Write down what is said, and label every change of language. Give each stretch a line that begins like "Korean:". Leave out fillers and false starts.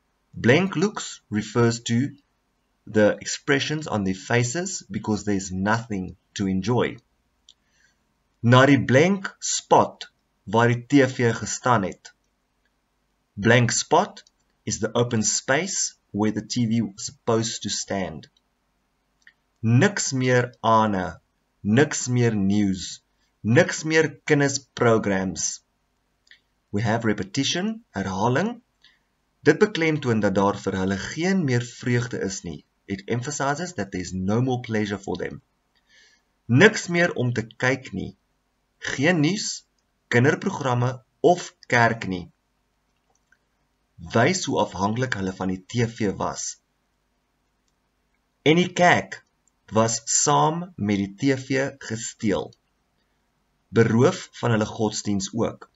English: Blank looks refers to the expressions on their faces because there's nothing to enjoy.
Afrikaans: Na die blank spot waar die TV gestaan het.
English: Blank spot is the open space where the TV was supposed to stand.
Afrikaans: Niks meer aane, niks meer news, niks meer kindersprograms.
English: We have repetition, herhaling.
Afrikaans: Dit beklemtoon dat daar vir hulle geen meer vreugde is nie.
English: It emphasizes that there is no more pleasure for them.
Afrikaans: Niks meer om te kyk nie. Geen nuus, kinderprogramme of kerk nie. wys hoe afhankelijk hulle van die TV was. En die kerk was saam met die TV gesteel, beroof van hulle godsdienst ook.